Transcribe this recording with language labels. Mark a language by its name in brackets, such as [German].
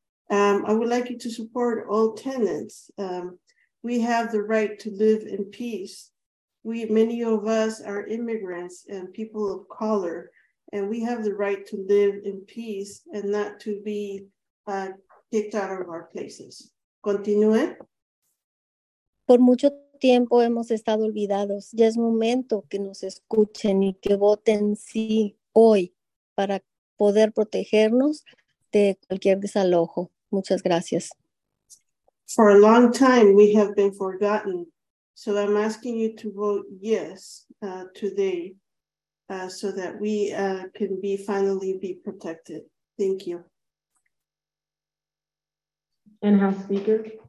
[English] I would like you to support all tenants. We have the right to live in peace. We, many of us, are immigrants and people of color, and we have the right to live in peace and not to be kicked out of our places. [Spanish] Continúe. Por mucho tiempo hemos estado olvidados. Ya es momento que nos escuchen y que voten sí hoy para poder protegernos de cualquier desalojo. Muchas gracias. [English] For a long time, we have been forgotten. So I'm asking you to vote yes today so that we can be finally be protected. Thank you. And House Speaker.